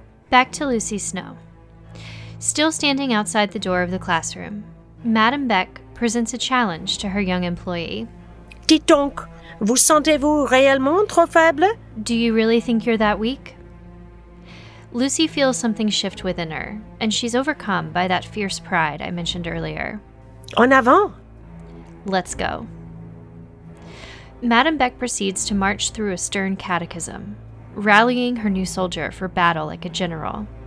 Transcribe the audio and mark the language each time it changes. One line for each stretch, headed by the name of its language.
English: Back to Lucy Snowe. Still standing outside the door of the classroom, Madame Beck presents a challenge to her young employee.
French: Dites donc, vous sentez-vous réellement trop faible?
English: Do you really think you're that weak? Lucy feels something shift within her, and she's overcome by that fierce pride I mentioned earlier.
French: En avant!
English: Let's go. Madame Beck proceeds to march through a stern catechism, rallying her new soldier for battle like a general.